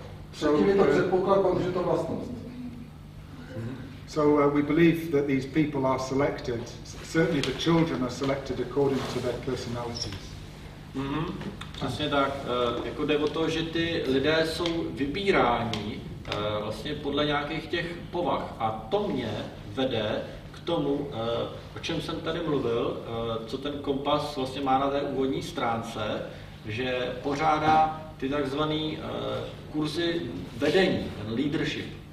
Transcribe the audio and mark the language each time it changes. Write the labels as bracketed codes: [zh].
[cs] Předtím je to předpoklad, protože je to vlastnost. [en] So we believe that these people are selected, certainly the children are selected according to their personalities. [cs] Přesně tak. Jako jde o to, že ty lidé jsou vybíráni, vlastně podle nějakých těch povah. A to mě vede k tomu, o čem jsem tady mluvil, co ten kompas vlastně má na té úvodní stránce, že pořádá ty takzvané kurzy vedení, ten leadership.